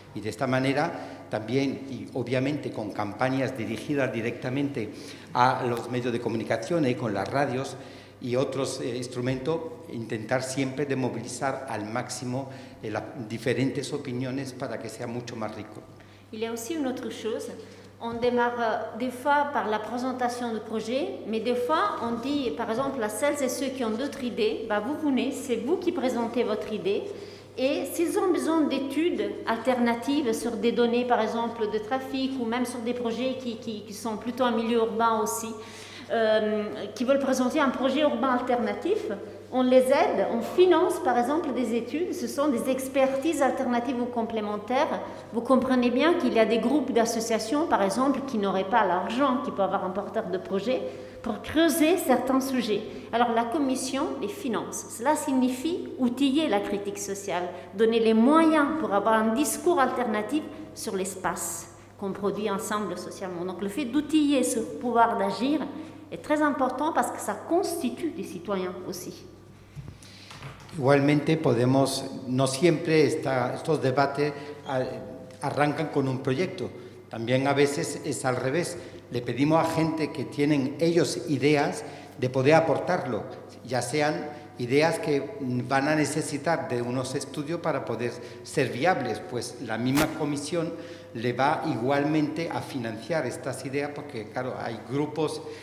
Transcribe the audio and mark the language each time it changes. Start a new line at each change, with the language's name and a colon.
Spanish: Y de esta manera también, y obviamente con campañas dirigidas directamente a los medios de comunicación y con las radios y otros instrumentos, intentar siempre de movilizar al máximo las diferentes opiniones para que sea mucho más rico.
French: Il y a aussi une autre chose. On démarre des fois par la présentation de projet, mais des fois on dit, par exemple, à celles et ceux qui ont d'autres idées, bah vous venez, c'est vous qui présentez votre idée. Et s'ils ont besoin d'études alternatives sur des données, par exemple, de trafic ou même sur des projets qui sont plutôt en milieu urbain aussi, qui veulent présenter un projet urbain alternatif, on les aide, on finance par exemple des études, ce sont des expertises alternatives ou complémentaires. Vous comprenez bien qu'il y a des groupes d'associations, par exemple, qui n'auraient pas l'argent, qui peuvent avoir un porteur de projet, pour creuser certains sujets. Alors la commission les finance. Cela signifie outiller la critique sociale, donner les moyens pour avoir un discours alternatif sur l'espace qu'on produit ensemble socialement. Donc le fait d'outiller ce pouvoir d'agir
Spanish: es muy importante porque se constituye de ciudadanos también. Igualmente podemos, no siempre estos debates arrancan con un proyecto, también a veces es al revés, le pedimos a gente que tienen ellos ideas de poder aportarlo, ya sean ideas que van a necesitar de unos estudios para poder ser viables, pues la misma comisión le va igualmente a financiar estas ideas, porque claro, hay grupos